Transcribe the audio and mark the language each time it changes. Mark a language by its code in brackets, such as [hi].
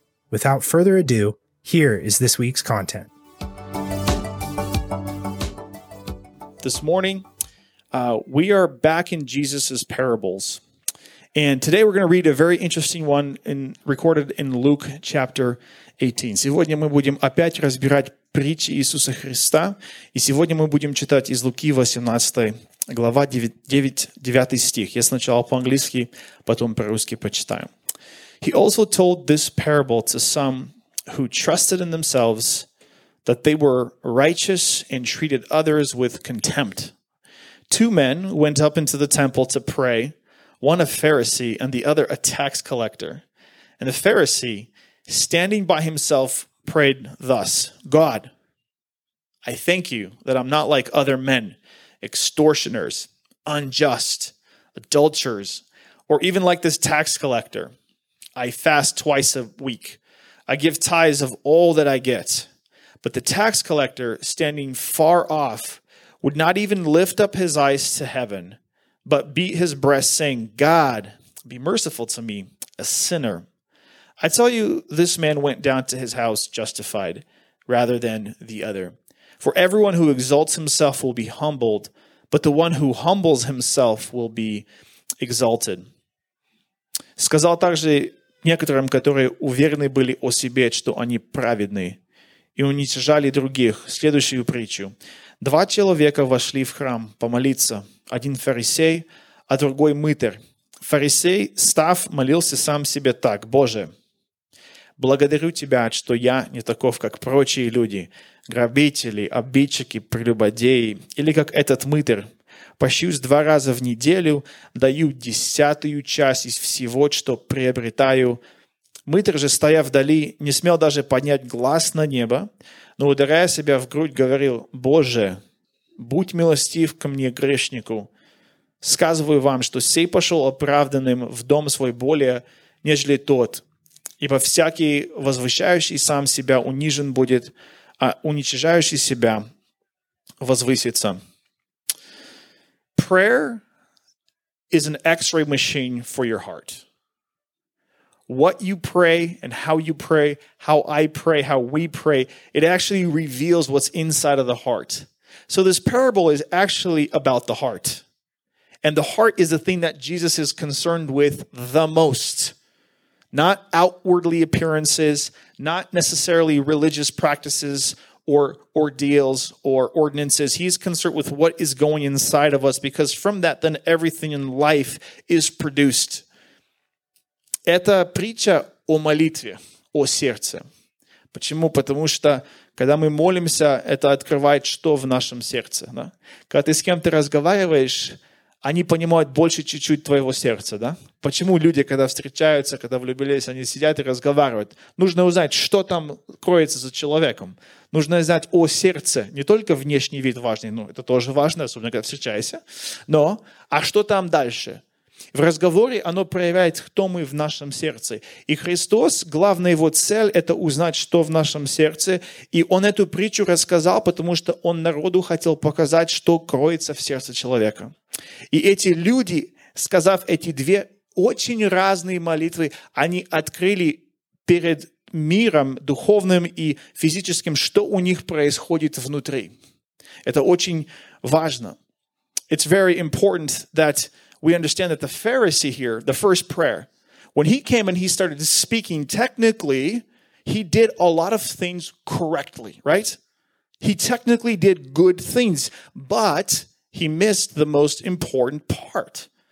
[en] Without further ado, here is this week's content. This morning, we are back in Jesus's parables. And today we're going to read a very interesting one recorded in Luke chapter 18. [ru] Сегодня мы будем опять разбирать притчи Иисуса Христа. И сегодня мы будем читать из Луки 18 глава 9 стих. Я сначала по-английски, потом по-русски прочитаю. [en] He also told this parable to some who trusted in themselves that they were righteous and treated others with contempt. Two men went up into the temple to pray, one a Pharisee and the other a tax collector. And the Pharisee, standing by himself, prayed thus, God, I thank you that I'm not like other men, extortioners, unjust, adulterers, or even like this tax collector. I fast twice a week. I give tithes of all that I get. But the tax collector, standing far off, would not even lift up his eyes to heaven, but beat his breast, saying, God, be merciful to me, a sinner. I tell you, this man went down to his house justified rather than the other. For everyone who exalts himself will be humbled, but the one who humbles himself will be exalted. [ru] Сказал также некоторым, которые уверены были о себе, что они праведны, и уничижали других, следующую притчу. Два человека вошли в храм помолиться, один фарисей, а другой мытарь. Фарисей, став, молился сам себе так: «Боже, благодарю Тебя, что я не таков, как прочие люди, грабители, обидчики, прелюбодеи, или как этот мытарь. Пощусь два раза в неделю, даю десятую часть из всего, что приобретаю». Мытарь же, стоя вдали, не смел даже поднять глаз на небо, но, ударяя себя в грудь, говорил: «Боже, будь милостив ко мне, грешнику. Сказываю вам, что сей пошел оправданным в дом свой более, нежели тот. Ибо всякий, возвышающий сам себя, унижен будет, а уничижающий себя возвысится». [en] Prayer is an x-ray machine for your heart. What you pray and how you pray, how I pray, how we pray, it actually reveals what's inside of the heart. So this parable is actually about the heart. And the heart is the thing that Jesus is concerned with the most. Not outwardly appearances, not necessarily religious practices or ordeals or ordinances. He's concerned with what is going inside of us, because from that, then everything in life is produced. [ru] Это притча о молитве, о сердце. Почему? Потому что, когда мы молимся, это открывает, что в нашем сердце. Да? Когда ты с кем-то разговариваешь, они понимают больше чуть-чуть твоего сердца. Да? Почему люди, когда встречаются, когда влюбились, они сидят и разговаривают? Нужно узнать, что там кроется за человеком. Нужно знать о сердце. Не только внешний вид важный, но это тоже важно, особенно когда встречаешься. Но, а что там дальше? В разговоре оно проявляет, кто мы в нашем сердце. И Христос, главная его цель – это узнать, что в нашем сердце. И он эту притчу рассказал, потому что он народу хотел показать, что кроется в сердце человека. И эти люди, сказав эти две очень разные молитвы, они открыли перед миром духовным и физическим, что у них происходит внутри. Это очень важно. [en] It's very important that we understand that the Pharisee here, the first prayer, when he came and he started speaking, technically, he did a lot of things correctly, right? He technically did good things, but he missed the most important part.